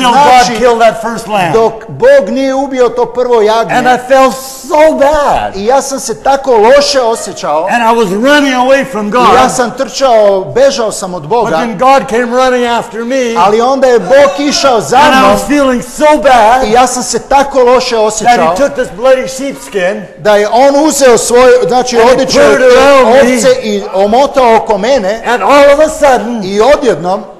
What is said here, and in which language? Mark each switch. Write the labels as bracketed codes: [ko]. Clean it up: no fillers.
[en] Till God killed that first lamb. [hr] Dok Bog nije ubio to prvo jagnje. [en] And I felt so bad. [hr] I ja sam se tako loše osjećao. [en] And I was running away from God. [hr] I ja sam trčao, bežao sam od Boga. [en] But then God came running after me. [hr] Ali onda je Bog išao za mnom. [en] So bad, [hr] i ja sam se tako loše osjećao, [en] that he took this bloody sheepskin, [hr] da je on uzeo svoje, znači odjeću ovce i omotao oko mene, [en] and all of a sudden, [hr] i odjednom,